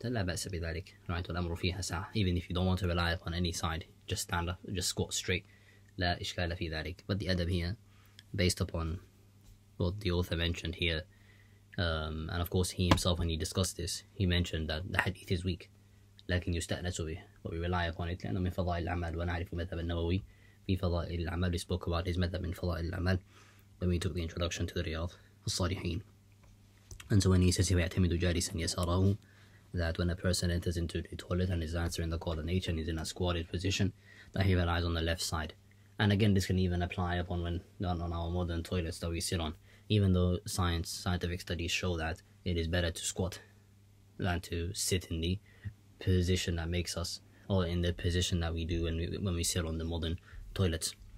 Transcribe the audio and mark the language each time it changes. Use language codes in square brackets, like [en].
[en] Right, even if you don't want to rely upon any side, just stand up, just squat straight. But the adab here, based upon what the author mentioned here, and of course he himself, when he discussed this, he mentioned that the hadith is weak. [ar] لكن يستأنس به, [en] but we rely upon it, [ar] لأنه من فضائل الأعمال, ونعرف مذهب النووي في فضائل الأعمال. [en] We spoke about his [ar] مذهب من فضائل الأعمال [en] when we took the introduction to the Riyadh الصالحين. And so when he says, [ar] يعتمد جالسا يساره, [en] that when a person enters into the toilet and is answering the call of nature and is in a squatted position, that he relies on the left side. And again, this can even apply upon when not on our modern toilets that we sit on, even though scientific studies show that it is better to squat than to sit in the position that makes us, or in the position that we do when we sit on the modern toilets.